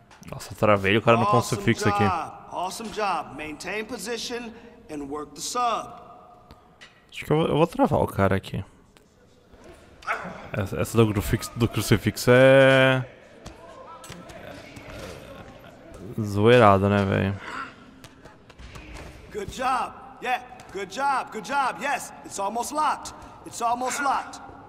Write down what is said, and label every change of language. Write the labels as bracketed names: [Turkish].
[Portuguese] Nossa, travei, o cara não consegue fixar aqui. [English] Awesome job. Maintain position and work the sub. [Portuguese] Acho que eu vou travar o cara aqui. Essa do crucifixo é... zoeirada, né, velho? [English] Good job. Yeah. Good job. Good job. Yes. It's almost locked. It's almost locked.